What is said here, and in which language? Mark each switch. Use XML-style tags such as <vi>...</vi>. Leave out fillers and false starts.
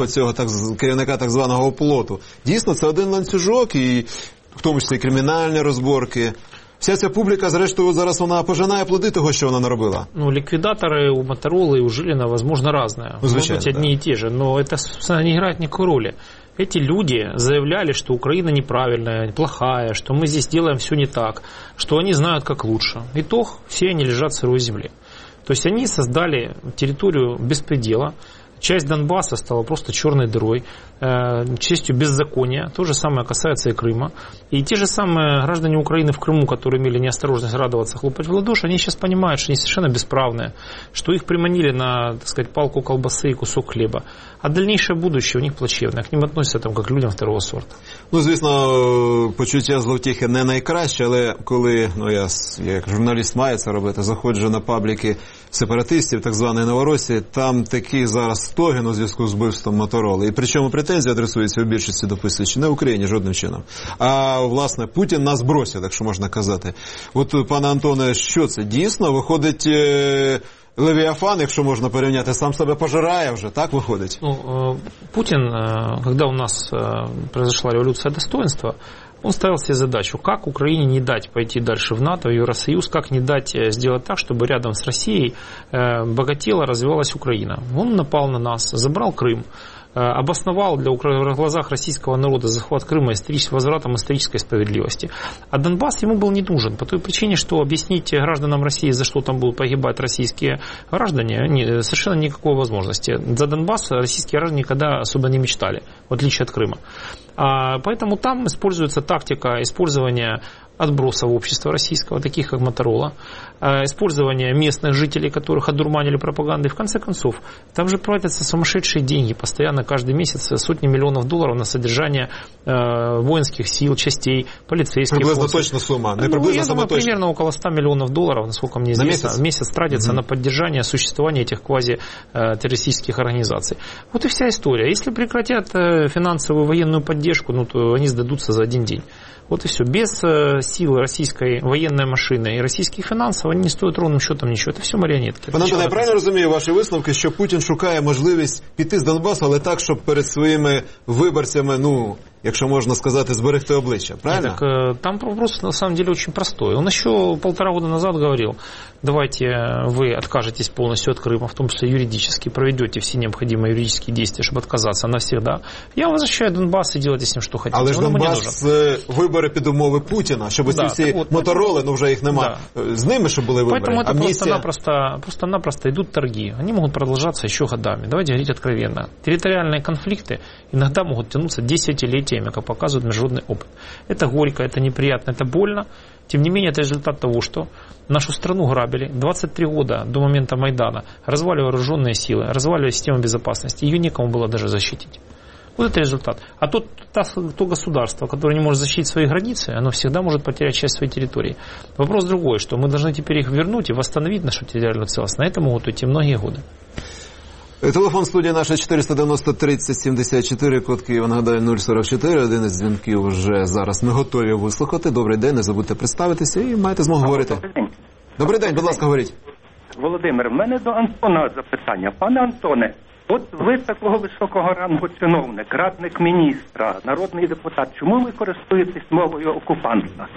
<uk>Оцього так, керівника так званого оплоту. Дійсно, це один ланцюжок, і в тому числі кримінальні розборки. Вся ця публіка, зрештою, зараз вона пожинає плоди того, що вона наробила. Ну, ліквідатори у Моторола і у Жиріна, можливо, різні. Звичайно, так. Одні і ті ж, але це не грає ніякої ролі.</uk> <ru>Эти люди заявляли, что Украина неправильная, плохая, что мы здесь делаем все не так, что они знают, как лучше. Итог, все они лежат в сырой земле. То есть они создали территорию беспредела, часть Донбасса стала просто черной дырой, частью беззакония. То же самое касается и Крыма. И те же самые граждане Украины в Крыму, которые имели неосторожность радоваться, хлопать в ладоши, они сейчас понимают, что они совершенно бесправные, что их приманили на, так сказать, палку колбасы и кусок хлеба. А дальнейшее будущее у них плачевное. К ним относятся там, как к людям второго сорта.</ru> <uk>Ну, звісно, почуття зловтіхи не найкраще, але коли, ну, я як журналіст маю це робити, заходжу на пабліки сепаратистів, так званої Новоросії, там такий зараз стогін у зв'язку з вбивством Моторола. І причому претензії адресуються у більшості, дописуючи, не Україні жодним чином. А, власне, Путін нас бросив, так що можна казати. От, пане Антоне, що це? Дійсно, виходить... Левіафан, якщо можна порівняти, сам себе пожирає вже, так виходить? Ну, Путін, коли у нас</uk> <ru>произошла</ru> <uk>революція</uk> <ru>достоинства,</ru> <uk>він ставив себе задачу, як Україні не дати</uk> <ru>пойти</ru> <uk>далі в НАТО, в Євросоюз, як не дати зробити так, щоб рядом з Росією багатіла, розвивалась Україна. Він напав на нас, забрав Крим,</uk> <ru>обосновал для глазах российского народа захват Крыма возвратом исторической справедливости. А Донбасс ему был не нужен по той причине, что объяснить гражданам России, за что там будут погибать российские граждане, совершенно никакой возможности. За Донбасс российские граждане никогда особо не мечтали, в отличие от Крыма. Поэтому там используется тактика использования отбросов общества российского, таких как Моторола, использование местных жителей, которых одурманили пропагандой. В конце концов, там же платятся сумасшедшие деньги постоянно, каждый месяц сотни миллионов долларов на содержание воинских сил, частей, полицейских.</ru> <uk>Приблизно точно сумма.</uk> <ru>Примерно около 100 миллионов долларов, насколько мне известно, в месяц тратится на поддержание существования этих квази-террористических организаций. Вот и вся история. Если прекратят финансовую военную поддержку, ну то они сдадутся за один день. Вот и все. Без силы российской военной машины и российских финансов они не стоят ровным счетом ничего. Это все марионетки.</ru> <uk>Пане Антоне, я правильно розумію ваші висновки, що Путін шукає можливість піти з Донбасу, але так, щоб перед своїми виборцями, ну, якщо можна сказати, зберегти обличчя. Правильно?</uk> <ru>Так, там вопрос на самом деле очень простой. Он еще полтора года назад говорил, давайте вы откажетесь полностью от Крыма, в том числе юридически, проведете все необходимые юридические действия, чтобы отказаться навсегда. Я возвращаю Донбасс и делайте с ним, что хотите.</ru> <uk>Але ж</uk> <ru>Донбасс выборы под умовы Путина, чтобы да, все вот, Моторолы, но уже их</ru> <uk>нема,</uk> <ru>да. С ними, чтобы были выборы. Поэтому это просто-напросто идут торги. Они могут продолжаться еще годами. Давайте говорить откровенно. Территориальные конфликты иногда могут тянуться десятилетиями, теми, как показывает международный опыт. Это горько, это неприятно, это больно. Тем не менее, это результат того, что нашу страну грабили 23 года до момента Майдана, развалили вооруженные силы, развалили систему безопасности. Ее некому было даже защитить. Вот это результат. А то государство, которое не может защитить свои границы, оно всегда может потерять часть своей территории. Вопрос другой, что мы должны теперь их вернуть и восстановить нашу территориальную целостность. На это могут уйти многие годы.</ru> <uk>Телефон студії наша 490-30-74, код Києва, нагадаю, 044. Один із дзвінків вже зараз ми готові вислухати. Добрий день, не забудьте представитися і маєте змогу говорити. Добрий день, будь ласка, говоріть. Володимир, в мене до Антона запитання. Пане Антоне, от ви такого високого рангу чиновник, радник міністра, народний депутат, чому ви користуєтесь мовою окупанта?</uk>